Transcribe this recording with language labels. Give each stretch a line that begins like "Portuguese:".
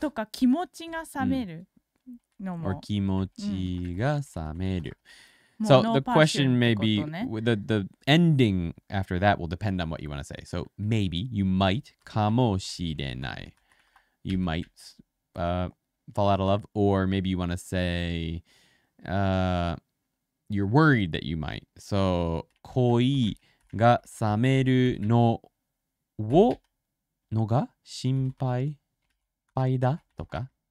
Japanese: とか気持ちが冷めるのも。 Or 気持ちが冷める。
English: So the question may be, the ending after that will depend on what you want to say. So maybe, you might,
Japanese: かもしれない。
English: You might fall out of love. Or maybe you want to say, You're worried that you might. So,
Japanese: 恋が冷めるのをのが心配だとか。